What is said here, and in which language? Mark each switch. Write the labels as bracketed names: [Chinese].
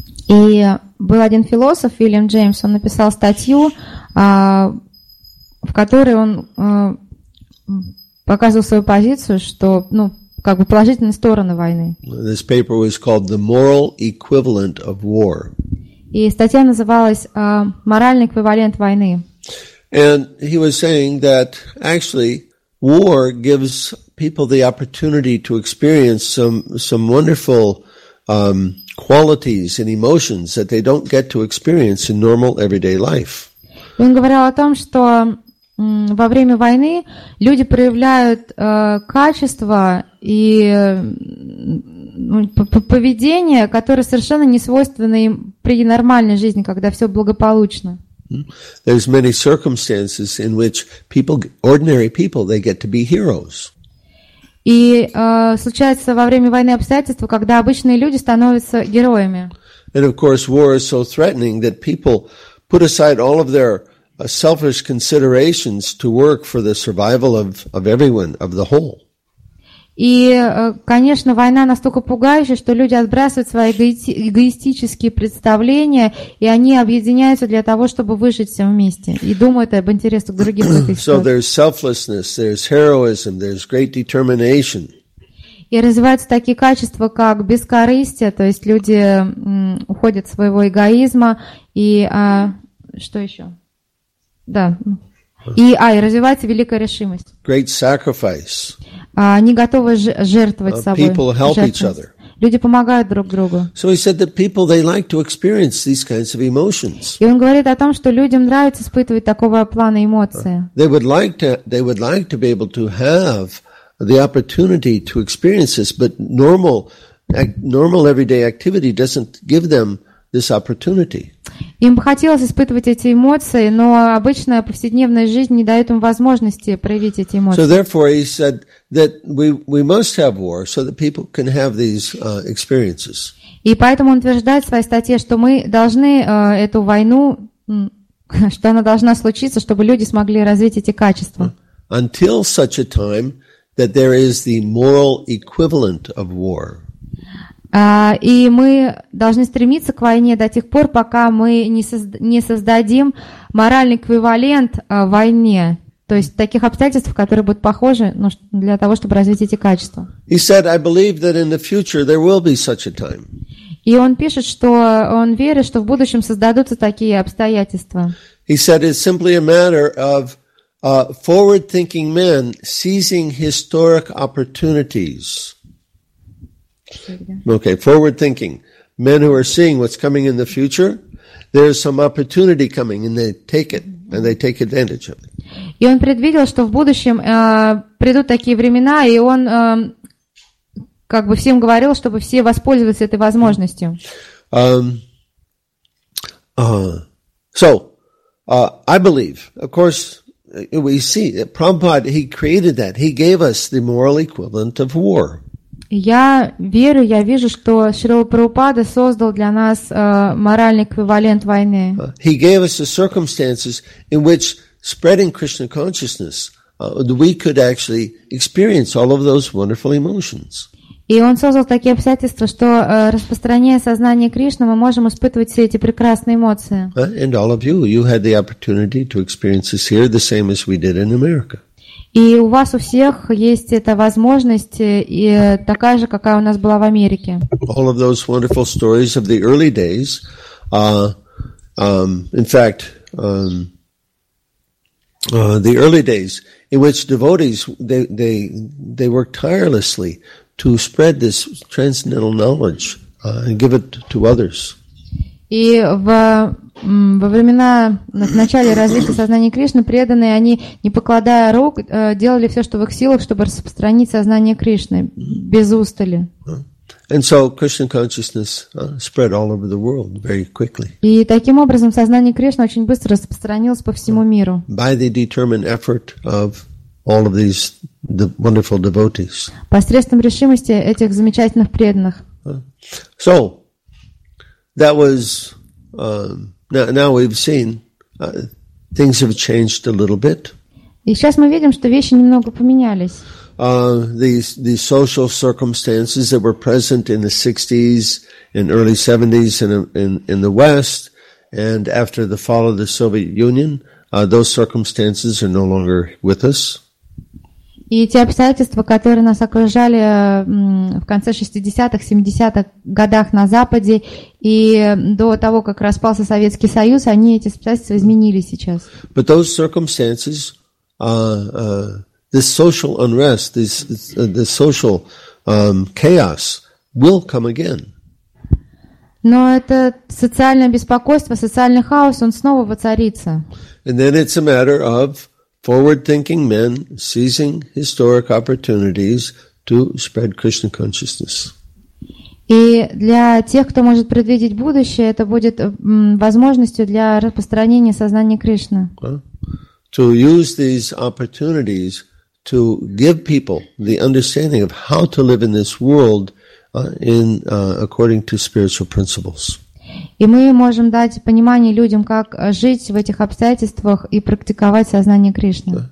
[Russian] И был один философ, Уильям Джеймс, он написал статью, в которой он показывал свою позицию, что, ну, как бы положительные стороны войны. [English] This paper was called The Moral Equivalent of War. [Russian] И статья называлась «Моральный эквивалент войны». [English] And he was saying that actually war gives people the opportunity to experience some wonderful qualities and emotions that they don't get to experience in normal everyday life. [Russian] Он говорил о том, что во время войны люди проявляют качества и поведение, которое совершенно не свойственно им при нормальной жизни, когда все благополучно. [English] There's many circumstances in which people, ordinary people, they get to be heroes. [Russian] И случается во время войны обстоятельства, когда обычные люди становятся героями. [English] And of course, war is so threatening that people put aside all of their selfish considerations to work for the survival of everyone, of the whole. [Russian] И, конечно, война настолько пугающая, что люди отбрасывают свои эгоистические представления, и они объединяются для того, чтобы выжить все вместе, и думают об интересах других. [English] So there's selflessness, there's heroism, there's great determination. [Russian] И развиваются такие качества, как бескорыстие, то есть люди уходят от своего эгоизма, и что еще? Да. И развивается великая решимость. [English] Great sacrifice. [Russian] Они готовы жертвовать собой. [English] People help each other. [Russian] Люди помогают друг другу. [English] So he said that people, they like to experience these kinds of emotions. [Russian] И он говорит о том, что людям нравится испытывать такого плана эмоции. [English] They would like to be able to have the opportunity to experience this, but normal everyday activity doesn't give them this opportunity. [Russian] Им бы хотелось испытывать эти эмоции, но обычная повседневная жизнь не дает им возможности проявить эти эмоции. [English] So therefore, he said that we must have war so that people can have these experiences. [Russian] И поэтому он утверждает в своей статье, что мы должны эту войну, что она должна случиться, чтобы люди смогли развить эти качества. [English] Until such a time that there is the moral equivalent of war. [Russian] И мы должны стремиться к войне до тех пор, пока мы не создадим моральный эквивалент войне, то есть таких обстоятельств, которые будут похожи, ну, для того, чтобы развить эти качества. [English] He said, I believe that in the future there will be such a time. [Russian] И он пишет, что он верит, что в будущем создадутся такие обстоятельства. [English] He said, it's simply a matter of forward-thinking men seizing historic opportunities. Okay, forward thinking. Men who are seeing what's coming in the future, there's some opportunity coming and they take it and they take advantage of it. [Russian] И он предвидел, что в будущем придут такие времена, и он как бы всем говорил, чтобы все воспользовались этой возможностью. [English] I believe, of course, we see that Prabhupada, he created that. He gave us the moral equivalent of war. [Russian] Я верю, я вижу, что Шрила Прабхупада создал для нас моральный эквивалент войны. [English] He gave us the circumstances in which spreading Krishna consciousness, we could actually experience all of those wonderful emotions. [Russian] И он создал такие обстоятельства, что распространяя сознание Кришны, мы можем испытывать все эти прекрасные эмоции. [English] And all of you, you had the opportunity to experience this here the same as we did in America. [Russian] И у вас у всех есть эта возможность, и такая же, какая у нас была в Америке. [English] All of those wonderful stories of the early days, the early days in which devotees they worked tirelessly to spread this transcendental knowledge and give it to others. [Russian] И во времена, в начале развития сознания Кришны, преданные, они, не покладая рук, делали все, что в их силах, чтобы распространить сознание Кришны без устали. [English] And so Krishna consciousness spread all over the world very quickly. [Russian] И таким образом сознание Кришны очень быстро распространилось по всему миру. [English] By the determined effort of all of these wonderful devotees. [Russian] Посредством решимости этих замечательных преданных. [English] So, that was now we've seen things have changed a little bit. [Russian] И сейчас мы видим, что вещи немного поменялись. [English] The social circumstances that were present in the 60s and early 70s in the West and after the fall of the Soviet Union, those circumstances are no longer with us. [Russian] И те обстоятельства, которые нас окружали в конце 60-х, 70-х годах на Западе и до того, как распался Советский Союз, они эти обстоятельства изменили сейчас. [English] But those circumstances, this social unrest, this social chaos will come again. [Russian] Но это социальное беспокойство, социальный хаос, он снова воцарится. [English] And then it's a matter of forward-thinking men seizing historic opportunities to spread Krishna consciousness. [Russian] И для тех, кто может предвидеть будущее, это будет возможностью для распространения сознания Кришны. [English] To use these opportunities to give people the understanding of how to live in this world in according to spiritual principles. [Russian] И мы можем дать понимание людям, как жить в этих обстоятельствах и практиковать сознание Кришны.